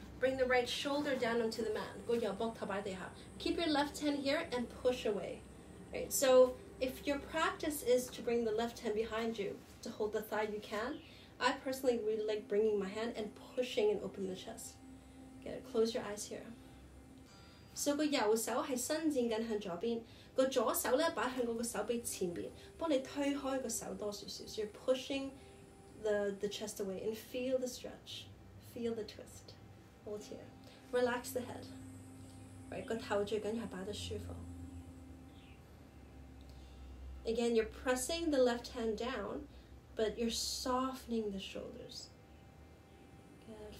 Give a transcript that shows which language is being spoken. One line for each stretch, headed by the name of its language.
English: Bring the right shoulder down onto the mat. Keep your left hand here and push away. Right, so if your practice is to bring the left hand behind you to hold the thigh, you can. I personally really like bringing my hand and pushing and opening the chest. Get it. Close your eyes here. So the
Cantonese: 右手是伸展緊向左邊，個左手咧擺向嗰個手臂前邊，幫你推開個手多少少。
English: So you're pushing the chest away and feel the stretch, feel the twist. Hold here. Relax the head. Right,
Cantonese: 個頭最緊要擺得舒服。
English: Again, you're pressing the left hand down, but you're softening the shoulders. Good.